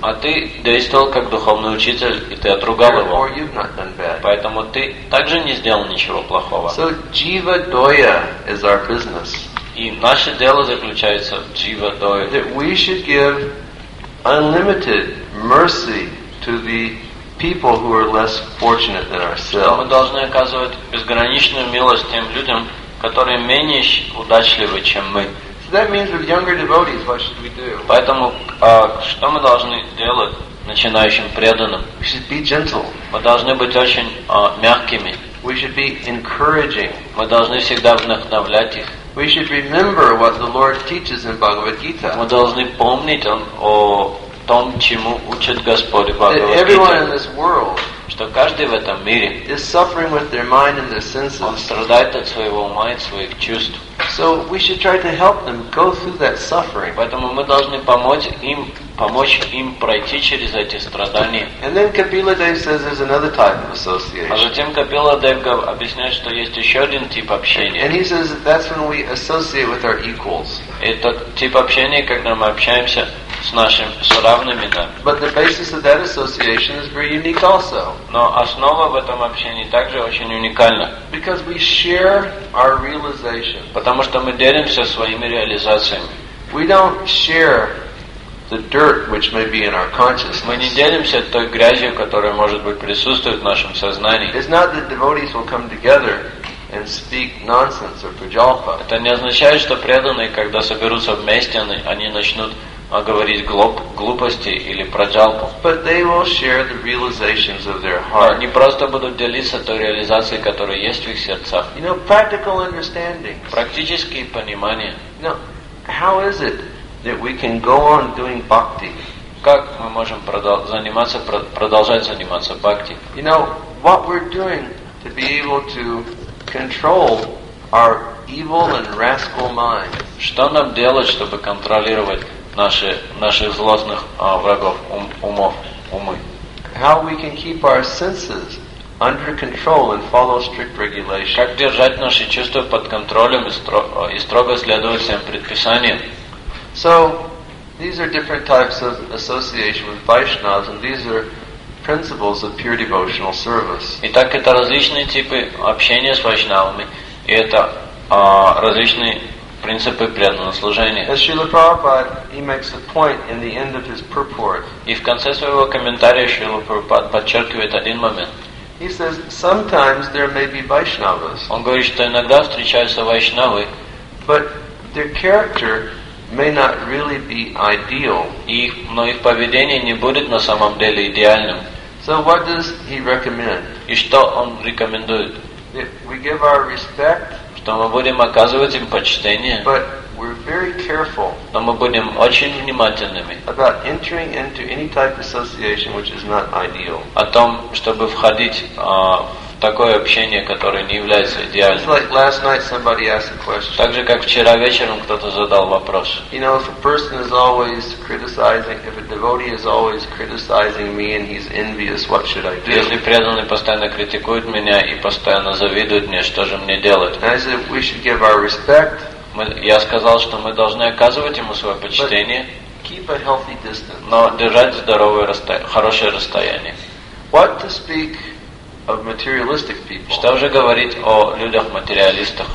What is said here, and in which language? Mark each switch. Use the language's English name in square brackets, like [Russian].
[Russian] А ты действовал как духовный учитель, и ты отругал его. [English] Therefore, you've not done bad. [Russian] Поэтому ты также не сделал ничего плохого. [English] So, Jiva Doya is our business. [Russian] И наше дело заключается в Jiva Doya. [English] That we should give unlimited mercy to the people who are less fortunate than ourselves. [Russian] Мы должны оказывать безграничную милость тем людям, которые менее удачливы, чем мы. [English] So that means with younger devotees, what should we do? [Russian] Поэтому что мы должны делать начинающим преданным? [English] We should be gentle. [Russian] Мы должны быть очень мягкими. [English] We should be encouraging. [Russian] Мы должны всегда вдохновлять их. [English] We should remember what the Lord teaches in Bhagavad Gita. [Russian] Мы должны помнить о том, чему учит Господь в Бхагавад-гите. [English] That everyone in this world, [Russian] что каждый в этом мире, [English] is suffering with their mind and their senses. [Russian] Он страдает от своего ума и своих чувств. [English] So we should try to help them go through that suffering. [Russian] Поэтому мы должны помочь им пройти через эти страдания. [English] And then Kapila Dev says there's another type of association. [Russian] А затем Kapila Dev объясняет, что есть еще один тип общения. [English] And he says that that's when we associate with our equals. [Russian] Это тип общения, когда мы общаемся с нашим равными нам. [English] But the basis of that association is very unique also. [Russian] Но основа в этом общении также очень уникальна. [English] Because we share our realization. [Russian] Потому что мы делимся своими реализациями. [English] We don't share the dirt which may be in our consciousness. [Russian] Мы не делимся той грязью, которая может быть присутствует в нашем сознании. [English] It's not that devotees will come together and speak nonsense or pujalpa. [Russian] Это не означает, что преданные, когда соберутся вместе, они начнут говорить глупости или праджалпу. [English] But they will share the realizations of their heart. [Russian] Они просто будут делиться той реализацией, которая есть в их сердцах. [English] You know, practical understanding. [Russian] Практические понимания. [English] You know, how is it that we can go on doing bhakti? [Russian] Как мы можем продолжать заниматься бхакти? [English] You know, what we're doing to be able to control our evil and rascal mind. [Russian] Что нам делать, чтобы контролировать наших злостных врагов умы. [English] How we can keep our senses under control and follow strict regulations? [Russian] Как держать наши чувства под контролем и строго следовать всем предписаниям? [English] So these are different types of association with Vaishnavas, and these are principles of pure devotional service. [Russian] Итак, это различные типы общения с вайшнавами, и это различные принципы преданного служения. [English] As Srila Prabhupada, he makes a point in the end of his purport. [Russian] И в конце своего комментария Шрила Прабхупада подчеркивает один момент. [English] He says, sometimes there may be Vaishnavas. [Russian] Он говорит, что иногда встречаются вайшнавы. [English] But their character may not really be ideal. [Russian] Но их поведение не будет на самом деле идеальным. [English] So what does he recommend? [Russian] И что он рекомендует? [English] If we give our respect, [Russian] то мы будем оказывать им почтение. [English] But we're very careful. [Russian] Но мы будем очень внимательными. [English] About entering into any type of association which is not ideal. [Russian] О том, чтобы входить в такое общение, которое не является идеальным. [English] It's like last night somebody asked a question. [Russian] Так же, как вчера вечером кто-то задал вопрос. [English] You know, if a person is always criticizing, if a devotee is always criticizing me and he's envious, what should I do? [Russian] Если преданный постоянно критикует меня и постоянно завидует мне, что же мне делать? [English] And I said, we should give our respect. [Russian] Я сказал, что мы должны оказывать ему свое почтение. [English] But keep a healthy distance. [Russian] Но держать здоровое, хорошее расстояние. [English] What to speak of materialistic people. [Russian] Что же говорить о людях материалистах?